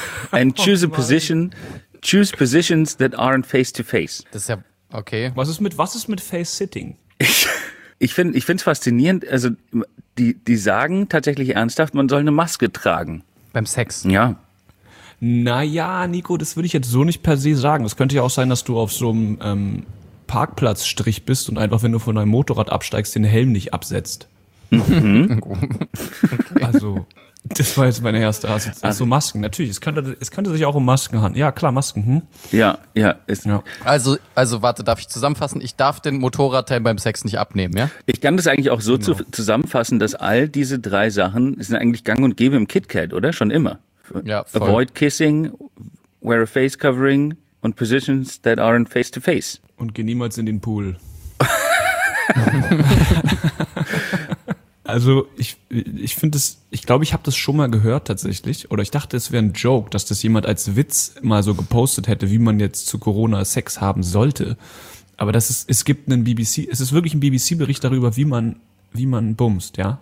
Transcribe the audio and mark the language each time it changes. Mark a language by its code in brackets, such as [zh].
[en] And choose positions that aren't face to face. [de] Das ist ja okay. Was ist mit face sitting? Ich find's faszinierend, also die sagen tatsächlich ernsthaft, man soll eine Maske tragen beim Sex. Ja. Naja, Nico, das würde ich jetzt so nicht per se sagen. Es könnte ja auch sein, dass du auf so einem Parkplatzstrich bist und einfach, wenn du von deinem Motorrad absteigst, den Helm nicht absetzt. Mhm. Also, das war jetzt meine erste Assoziation. Also Masken, natürlich. Es könnte sich auch um Masken handeln. Ja, klar, Masken. Ja. Also, warte, darf ich zusammenfassen? Ich darf den Motorradteil beim Sex nicht abnehmen, ja? Ich kann das eigentlich auch so zusammenfassen, dass all diese drei Sachen sind eigentlich gang und gäbe im KitKat, oder? Schon immer. Ja, voll. [en] Avoid kissing, wear a face covering und positions that aren't face to face. [de] Und geh niemals in den Pool. Also ich habe das schon mal gehört tatsächlich, oder ich dachte, es wäre ein Joke, dass das jemand als Witz mal so gepostet hätte, wie man jetzt zu Corona Sex haben sollte. Aber es ist wirklich ein BBC-Bericht darüber, wie man bumst, ja.